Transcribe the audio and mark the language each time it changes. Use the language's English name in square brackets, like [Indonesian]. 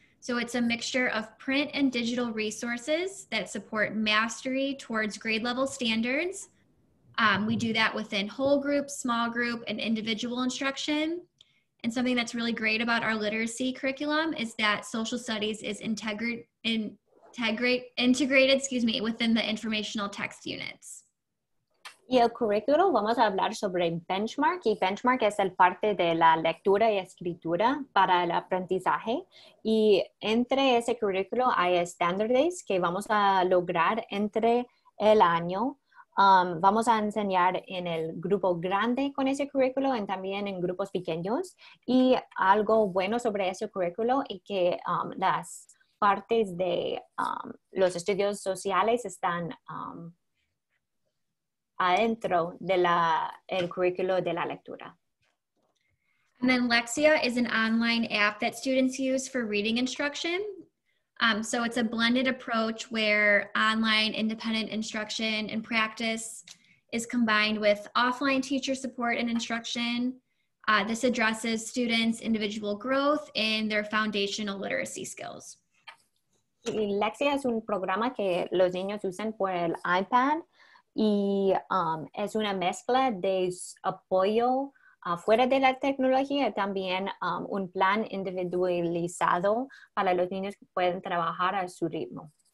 [English] So it's a mixture of print and digital resources that support mastery towards grade level standards. We do that within whole group, small group, and individual instruction. And something that's really great about our literacy curriculum is that social studies is integrated within the informational text units. [Spanish] Y el currículo, vamos a hablar sobre benchmark, y benchmark es el parte de la lectura y escritura para el aprendizaje. Y entre ese currículo hay standards que vamos a lograr entre el año. Vamos a enseñar en el grupo grande con ese currículo y también en grupos pequeños. Y algo bueno sobre ese currículo es que las partes de los estudios sociales están adentro del currículo de la lectura. [English] And then Lexia is an online app that students use for reading instruction. So it's a blended approach where online independent instruction and practice is combined with offline teacher support and instruction. This addresses students' individual growth in their foundational literacy skills. [Spanish] Lexia es un programa que los niños usan por el iPad. Y es una mezcla de apoyo fuera de la tecnología, también un plan individualizado para los niños que pueden trabajar a su ritmo.